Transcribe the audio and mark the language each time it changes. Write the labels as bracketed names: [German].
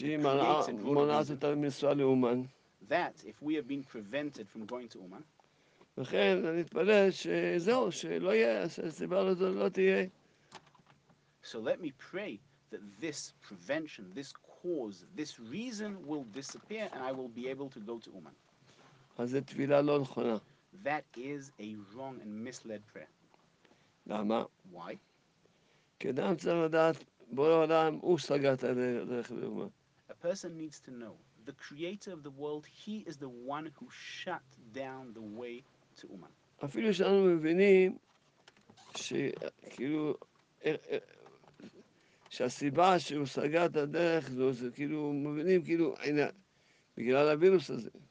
[English] you that if we have been prevented from going to Uman, [Hebrew] לכן אני מתפלל שזהו, שלא יהיה, הסיבה הזאת לא תהיה. [English] So let me pray that this prevention, this cause, this reason will disappear and I will be able to go to Uman. [Hebrew] אז זו תפילה לא נכונה. [English] That is a wrong and misled prayer. [Hebrew] למה? [English] Why? [Hebrew] כי אדם צריך לדעת, בורא עולם, הוא סגר את הדרך לאומן. [English] A person needs to know, the creator of the world, he is the one who shut down the way to Uman. [Hebrew] אפילו שאנו מבינים שכאילו, שהסיבה שהוא סגר את הדרך זו, זה כאילו, מבינים כאילו, הנה, בגלל הווירוס הזה.